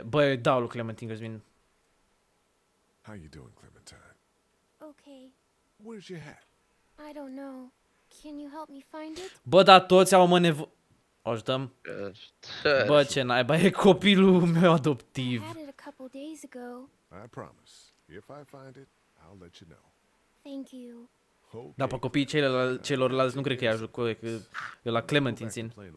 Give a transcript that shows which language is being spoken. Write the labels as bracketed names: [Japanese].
[Romanian] Bă, eu dau lui Clementine, Cosmin. [English] How you doing, Clementine? Okay. Where's your hat? I don't know. Can you help me find it? [Romanian] Bă, da, toți au mă nevo... O ajutăm? Bă, ce naiba, e copilul meu adoptiv. [English] I had it a couple days ago. I promise. If I find it, I'll let you know. Thank you. [Romanian] Dar pe copiii celorlalți nu cred că i-a ajut cu ăla Clementine țin.